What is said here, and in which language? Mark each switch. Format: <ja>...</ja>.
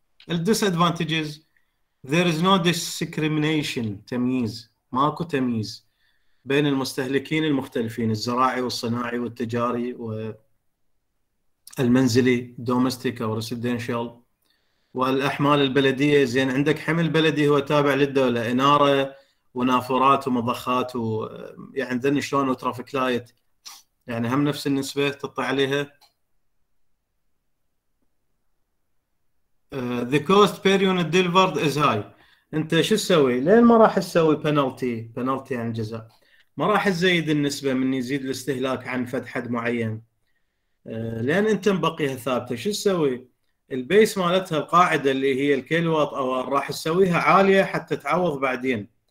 <en>الديس advantages there is no discrimination,</en> <ar>تمييز، ماكو تمييز بين المستهلكين المختلفين، الزراعي والصناعي والتجاري والمنزلي</ar> <en>domestic او residential,</en> <ar>والاحمال البلديه. زين عندك حمل بلدي هو تابع للدوله، اناره ونافورات ومضخات، ويعني ذن شلون وترافيك لايت، يعني هم نفس النسبه تطلع عليها.</ar> <en>The cost per unit delivered is high.</en> <ar>انت شو تسوي؟ ليه ما راح تسوي بنالتي؟ بنالتي يعني جزاء. ما راح تزيد النسبه من يزيد الاستهلاك عن فد حد معين. لان انت مبقيها ثابته، شو تسوي؟ البيس مالتها القاعده اللي هي الكيلوات او راح تسويها عاليه حتى تعوض بعدين.</ar>